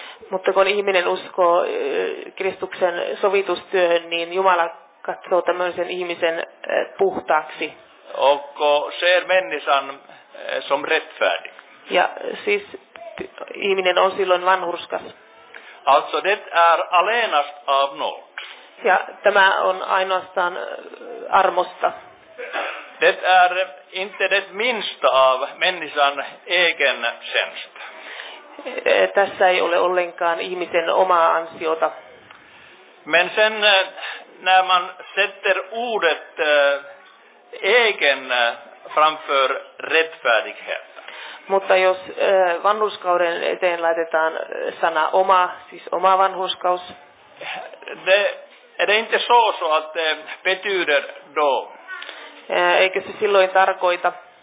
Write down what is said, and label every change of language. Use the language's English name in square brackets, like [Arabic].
[Finnish] Mutta kun ihminen uskoo Kristuksen sovitustyöhön, niin Jumala katsoo tämmöisen ihmisen puhtaaksi. [Swedish] Och ser människan som rättfärdig. [Finnish] Ja siis ihminen on silloin vanhurskas. [Swedish] Alltså det är allenast av nåd. [Finnish] Ja tämä on ainoastaan armosta. [Swedish] Det är inte det minsta av människan egen tjänst. [Finnish] Tässä ei ole ollenkaan ihmisen omaa ansiota. [Swedish] Men sen när man sätter ordet egen framför rättfärdighet. [Finnish] Mutta jos vanhurskauden eteen laitetaan sana oma, siis oma vanhurskaus. [Swedish] Det är inte så att det betyder då. [Finnish] Eikö se silloin tarkoita?